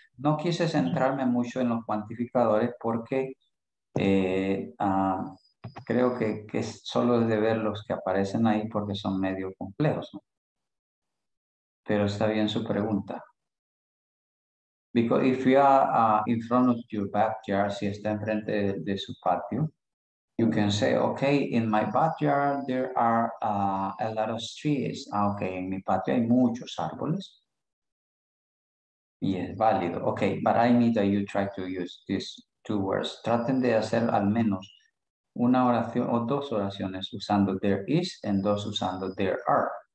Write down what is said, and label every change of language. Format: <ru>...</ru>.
<es>No quise centrarme mucho en los cuantificadores porque creo que solo es de ver los que aparecen ahí porque son medio complejos, ¿no? Pero está bien su pregunta.</es> <en>Because if you are in front of your backyard,</en> <es>si está enfrente de su patio,</es> <en>you can say, okay, in my backyard, there are a lot of trees.</en> <es>Ah, okay, en mi patio hay muchos árboles. Y es válido.</es> <en>Okay, but I need that you try to use these two words.</en> <es>Traten de hacer al menos una oración o dos oraciones usando there is and dos usando there are.</es>